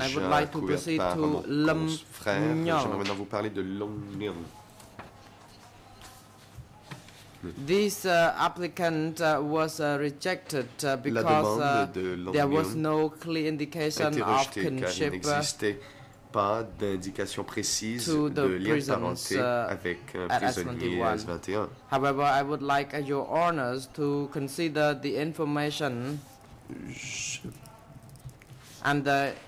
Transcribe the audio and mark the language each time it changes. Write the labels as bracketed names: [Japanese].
[English] I would like to proceed to Lam Nguyen. [French] J'aimerais maintenant vous parler de Lam Nguyen. [English] This applicant was rejected because there was no clear indication of kinship [French] pas d'indication précise de lien de parenté avec prisonnier S21. [English] However, I would like your honors to consider the information and the